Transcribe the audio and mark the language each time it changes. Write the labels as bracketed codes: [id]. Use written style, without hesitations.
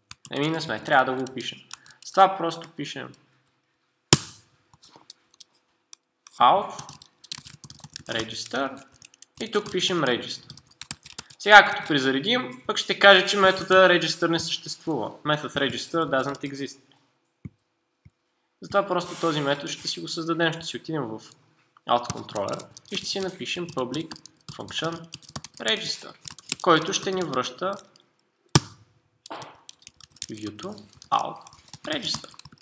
[bg] Еми не сме, трябва да го опишем. С това просто пишем out register и тук пишем register. Сега като призаредим, пък ще каже, че метода register не съществува. [en] Method register doesn't exist. [bg] Затова просто този метод ще си го създадем, ще си отидем в out controller и ще си напишем public function register, който ще ни връща view-то out register.